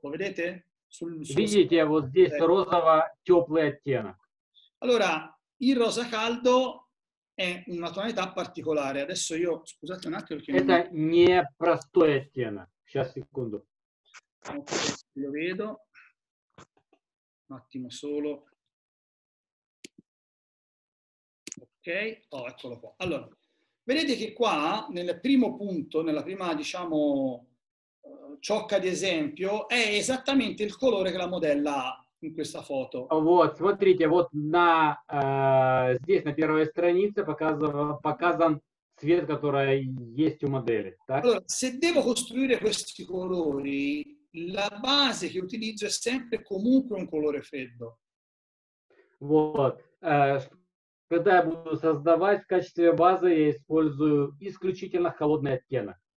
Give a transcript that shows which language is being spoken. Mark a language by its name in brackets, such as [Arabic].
[Italian] Lo vedete? [Russian] Видите, вот здесь розово теплый оттенок. [Italian] Allora, il rosa caldo è una tonalità particolare. Adesso io, scusate un attimo, perché [Russian] это не простой оттенок. Сейчас секунду. [Italian] Lo vedo. Un attimo solo. Ok, oh, eccolo qua. Allora, vedete che qua nel primo punto, nella prima, diciamo, ciocca di esempio, è esattamente il colore che la modella ha in questa foto. [Russian] Вот, смотрите, вот на здесь на первой странице показан цвет, который есть у модели, так? [Italian] Allora, se devo costruire questi colori, la base che utilizzo è sempre comunque un colore freddo. [Russian] Вот. Когда я буду создавать в качестве базы, я использую исключительно холодный оттенок.